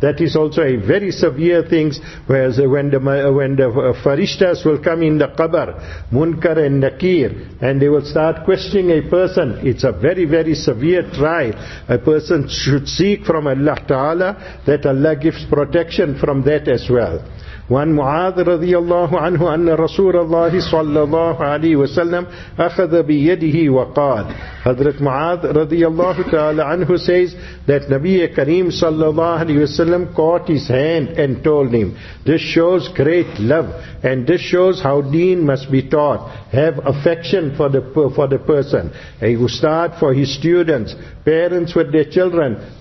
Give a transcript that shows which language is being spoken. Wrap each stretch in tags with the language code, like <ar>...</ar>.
<en>That is also a very severe thing, whereas when the farishtas will come in the qabr, munkar and nakir, and they will start questioning a person. It's a very, very severe trial. A person should seek from Allah Ta'ala that Allah gives protection from that as well.</en> <ar>وعن معاذ رضي الله عنه أن رسول الله صلى الله عليه وسلم أخذ بيده وقال.</ar> <en>Hazrat Mu'adh radiyallahu ta'ala anhu says that Nabiya Kareem sallallahu alayhi wa sallam caught his hand and told him, this shows great love and this shows how deen must be taught. Have affection for the person, a ustad for his students, parents with their children.</en>